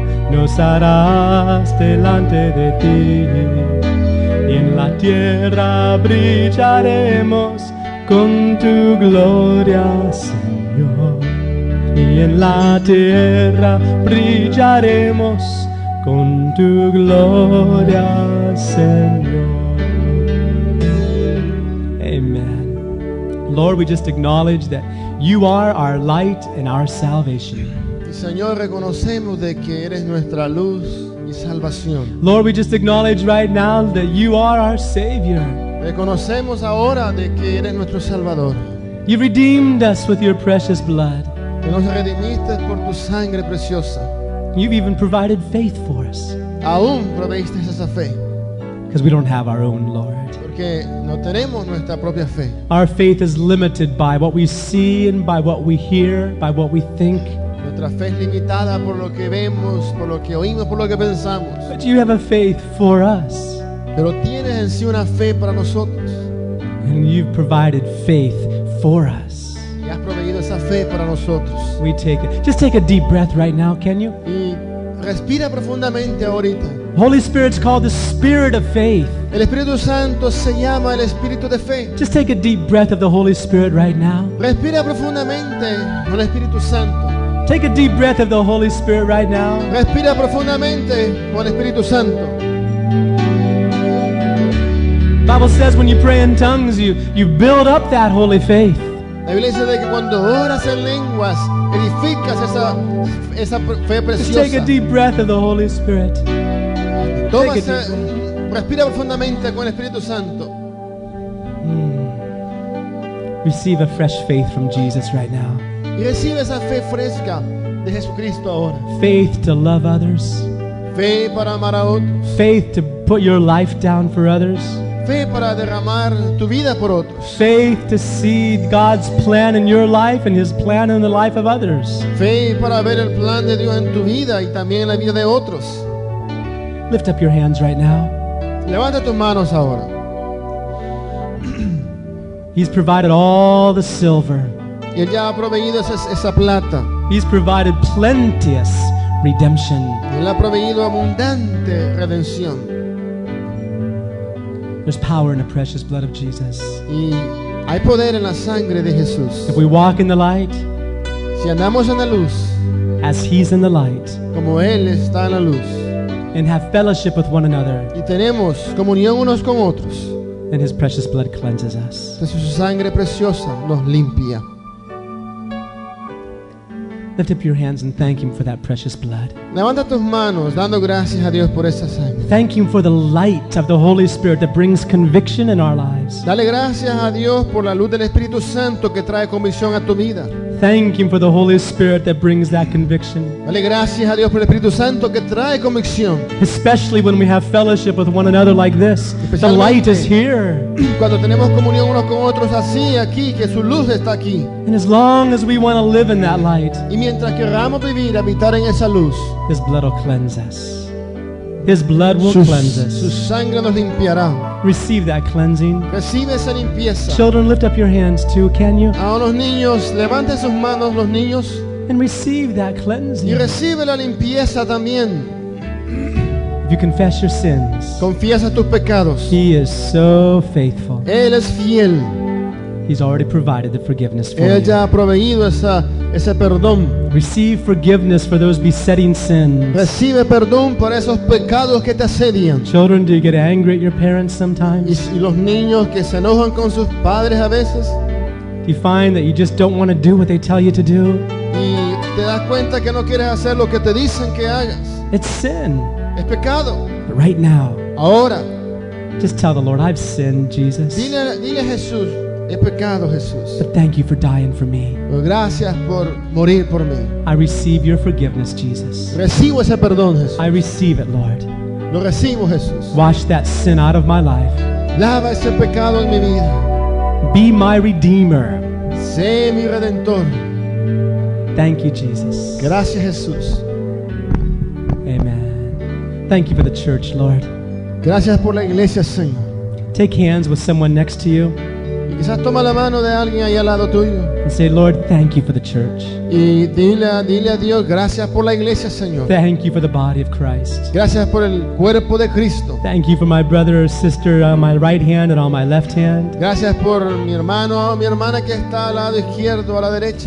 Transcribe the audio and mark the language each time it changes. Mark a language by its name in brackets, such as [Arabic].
[Spanish] Nos harás delante de ti, y en la tierra brillaremos con tu gloria, Señor. Y en la tierra brillaremos con tu gloria, Señor. Amen. [English] Lord, we just acknowledge that you are our light and our salvation. [Spanish] Señor, reconocemos de que eres nuestra luz y salvación. [English] Lord, we just acknowledge right now that you are our Savior. [Spanish] Reconocemos ahora de que eres nuestro Salvador. [English] You redeemed us with your precious blood. [Spanish] Que nos redimiste por tu sangre preciosa. [English] You've even provided faith for us. [Spanish] Aún proveíste esa fe. [English] Because we don't have our own, Lord. [Spanish] Porque no tenemos nuestra propia fe. [English] Our faith is limited by what we see and by what we hear, by what we think. [Spanish] Nuestra fe es limitada por lo que vemos, por lo que oímos, por lo que pensamos. [English] But you have a faith for us. [Spanish] Pero tienes en sí una fe para nosotros. [English] And you've provided faith for us. [Spanish] Y has proveído esa fe para nosotros. [English] We take it. Just take a deep breath right now, can you? [Spanish] Y respira profundamente ahorita. [English] Holy Spirit's called the Spirit of Faith. [Spanish] El Espíritu Santo se llama el Espíritu de Fe. [English] Just take a deep breath of the Holy Spirit right now. [Spanish] Respira profundamente con el Espíritu Santo. [English] Take a deep breath of the Holy Spirit right now. [Spanish] Respira profundamente con el Espíritu Santo. [English] Bible says when you pray in tongues, you build up that holy faith. [Spanish] La Biblia dice que cuando oras en lenguas, edificas esa fe preciosa. [English] Just take a deep breath of the Holy Spirit. [Spanish] Respira profundamente con el Espíritu Santo. [English] Receive a fresh faith from Jesus right now. [Spanish] Y recibe esa fe fresca de Jesucristo ahora. [English] Faith to love others. [Spanish] Fe para amar a otros. [English] Faith to put your life down for others. [Spanish] Fe para derramar tu vida por otros. [English] Faith to see God's plan in your life and His plan in the life of others. [Spanish] Fe para ver el plan de Dios en tu vida y también en la vida de otros. [English] Lift up your hands right now. [Spanish] Levanta tus manos ahora. [English] He's provided all the silver. [Spanish] Y él ya ha proveído esa plata. [English] He's provided plenteous redemption. [Spanish] Él ha proveído abundante redención. [English] There's power in the precious blood of Jesus. [Spanish] Y hay poder en la sangre de Jesús. [English] If we walk in the light, [Spanish] si andamos en la luz, [English] as He's in the light, [Spanish] como Él está en la luz, [English] and have fellowship with one another, [Spanish] y tenemos comunión unos con otros, [English] then His precious blood cleanses us. [Spanish] Entonces su sangre preciosa nos limpia. [English] Lift up your hands and thank Him for that precious blood. [Spanish] Levanta tus manos, dando gracias a Dios por esa sangre. [English] Thank Him for the light of the Holy Spirit that brings conviction in our lives. [Spanish] Dale gracias a Dios por la luz del Espíritu Santo que trae convicción a tu vida. [English] Thank Him for the Holy Spirit that brings that conviction. [Spanish] Dale gracias a Dios por el Espíritu Santo que trae convicción. [English] Especially when we have fellowship with one another like this, the light is here. [Spanish] Cuando tenemos comunión unos con otros así aquí, que su luz está aquí. [English] And as long as we want to live in that light, [Spanish] y mientras queramos vivir, habitar en esa luz, [English] His blood will cleanse us. His blood will cleanse us. [Spanish] Su sangre nos limpiará. [English] Receive that cleansing. [Spanish] Recibe esa limpieza. [English] Children, lift up your hands too, can you? [Spanish] A los niños, levanten sus manos, los niños. [English] And receive that cleansing. [Spanish] Y recibe la limpieza también. [English] If you confess your sins, [Spanish] confiesa tus pecados. [English] He is so faithful. [Spanish] Él es fiel. [English] He's already provided the forgiveness for [Spanish] Él [English] you. [Spanish] Ya ha proveído ese perdón. [English] Receive forgiveness for those besetting sins. [Spanish] Recibe perdón por esos pecados que te asedian. [English] Children, do you get angry at your parents sometimes? [Spanish] ¿Y los niños que se enojan con sus padres a veces? [English] Do you find that you just don't want to do what they tell you to do? [Spanish] ¿Y te das cuenta que no quieres hacer lo que te dicen que hagas? [English] It's sin. [Spanish] Es pecado. [English] But right now, [Spanish] ahora, [English] Just tell the Lord, I've sinned, Jesus. [Spanish] Dile a Jesús, he pecado, Jesús. [English] But thank you for dying for me. [Spanish] Gracias por morir por mí. [English] I receive your forgiveness, Jesus. [Spanish] Recibo ese perdón, Jesús. [English] I receive it, Lord. [Spanish] Lo recibo, Jesús. [English] Wash that sin out of my life. [Spanish] Lava ese pecado en mi vida. [English] Be my redeemer. [Spanish] Sé mi redentor. [English] Thank you, Jesus. [Spanish] Gracias, Jesús. [English] Amen. Thank you for the church, Lord. [Spanish] Gracias por la iglesia, Señor. [English] Take hands with someone next to you. [Spanish] Y quizás toma la mano de alguien ahí al lado tuyo. [English] And say, Lord, thank you for the church. [Spanish] Y dile a Dios, gracias por la iglesia, Señor. [English] Thank you for the body of Christ. [Spanish] Gracias por el cuerpo de Cristo. [English] Thank you for my brother or sister on my right hand and on my left hand. [Spanish] Gracias por mi hermano o mi hermana que está al lado izquierdo o a la derecha.